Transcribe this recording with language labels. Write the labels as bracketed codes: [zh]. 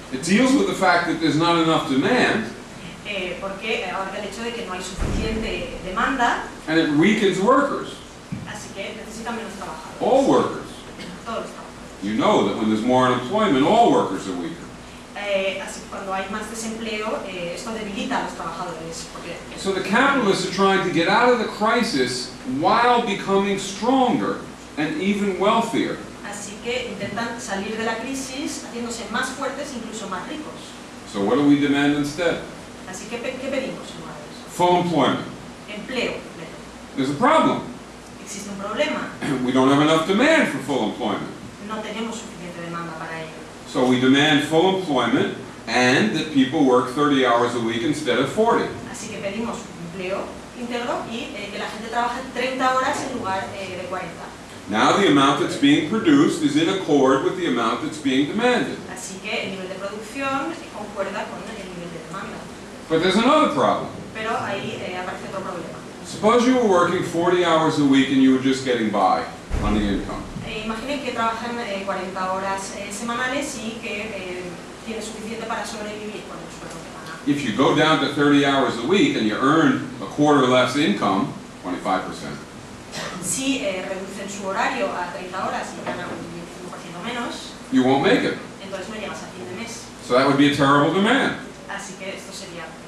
[en] It deals with the fact that there's not enough demand. [es] Porque ahora el hecho de que no hay suficiente demanda. [en] And it weakens workers. [es] Así que necesitan menos trabajadores. [en] All workers. [es] Todos los trabajadores. [en] You know that when there's more unemployment, all workers are weaker. [es] Así que cuando hay más desempleo, esto debilita a los trabajadores. Porque... [en] So the capitalists are trying to get out of the crisis while becoming stronger and even wealthier. [es] Así que intentan salir de la crisis haciéndose más fuertes, incluso más ricos. [en] So what do we demand instead? [es] Así que, ¿qué pedimos, señores? [en] Full employment. [es] Empleo. [en] There's a problem. [es] Existe un problema. [en] We don't have enough demand for full employment. [es] No tenemos suficiente demanda para ello. [en] So we demand full employment and that people work 30 hours a week instead of 40. [es] Así que pedimos empleo íntegro y que la gente trabaje 30 horas en lugar de 40. [en] Now the amount that's being produced is in accord with the amount that's being demanded. [es] Así que el nivel de producción concuerda con el nivel de demanda. [en] But there's another problem. [es] Pero ahí aparece otro problema. [en] Suppose you were working 40 hours a week and you were just getting by on the income. [es] Imaginen que trabajan 40 horas semanales y que tienen suficiente para sobrevivir con el sueldo semanal. [en] If you go down to 30 hours a week and you earn a quarter less income, 25%. [es] Si reducen su horario a 30 horas y ganan un 25% menos, [en] you won't make it. [es] Entonces no llegas a fin de mes. [en] So that would be a terrible demand. [es] Así que esto sería...